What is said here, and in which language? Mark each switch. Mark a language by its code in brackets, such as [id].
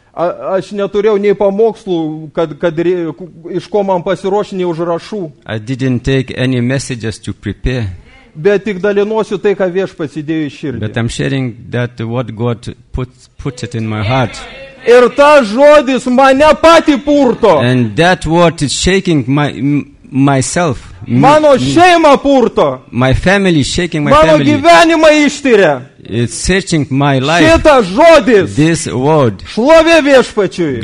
[lt] Aš neturėjau nei pamokslų, kad iš ko man pasiruošė, nei užrašų. [en] I didn't take any messages to prepare. [lt] Bet tik dalinuosiu tai, ką Viešpats įdėjo į širdį. [en] But I'm sharing that what God puts it in my heart. [lt] Ir ta žodis mane patį purto. [en] And that word is shaking myself. [lt] Mano šeima purto. [en] My family shaking my [lt] Mano [en] family. [lt] Mano gyvenimą ištyrė. [en] It's searching my life. [lt] Šitas žodis. [en] This word. [lt] Šlovė Viešpačiui.